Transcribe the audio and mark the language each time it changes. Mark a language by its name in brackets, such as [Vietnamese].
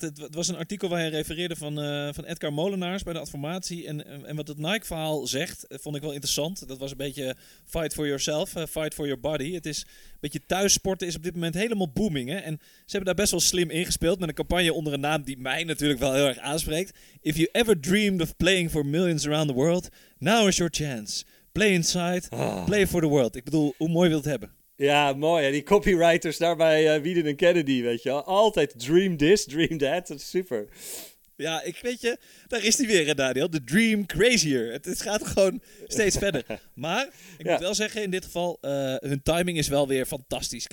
[Dutch] Het was een artikel waar hij refereerde van Edgar Molenaars bij de Adformatie. En wat het Nike-verhaal zegt, vond ik wel interessant. Dat was een beetje [English] fight for yourself, fight for your body. [Dutch] Het is een beetje thuissporten is op dit moment helemaal booming. Hè? En ze hebben daar best wel slim ingespeeld met een campagne onder een naam die mij natuurlijk wel heel erg aanspreekt. [English] If you ever dreamed of playing for millions around the world, now is your chance. Play inside, play for the world. [Dutch] Ik bedoel, hoe mooi wil het hebben? Ja, mooi. Die copywriters daar bij Wieden en Kennedy, weet je wel. Altijd [English] dream this, dream that. [Dutch] Dat is super. Ja, ik weet je, daar is die weer, Daniel. [English] The dream crazier. [Dutch] Het gaat gewoon steeds verder. Maar ik moet wel zeggen, in dit geval, hun timing is wel weer fantastisch.